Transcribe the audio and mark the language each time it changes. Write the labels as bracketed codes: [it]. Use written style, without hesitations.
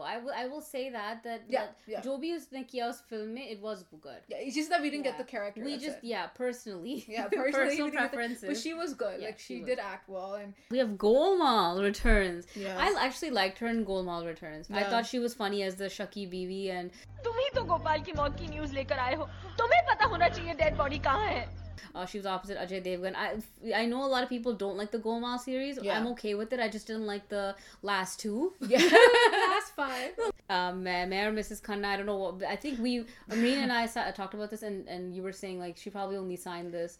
[en] I will say that Jo Bhi Us Nikiya's film, it was good. Yeah, it's just that we didn't get the character. Personally. Personal preferences. But she was good. Yeah, like, she did act well. And we have Golmaal Returns. Yes. I actually liked her in Golmaal Returns. Yeah. I thought she was funny as the Shaki Bibi. And [hi] तुम्ही तो गोपाल की मौत की news लेकर आए हो तुम्हें पता होना चाहिए डेड बॉडी कहाँ है. [en] She was opposite Ajay Devgan. I know a lot of people don't like the Golmaal series. Yeah. I'm okay with it. I just didn't like the last two. Yeah. Last five. Mayor Mrs. Khanna, I don't know. Amreen and I talked about this, and you were saying, like, she probably only signed this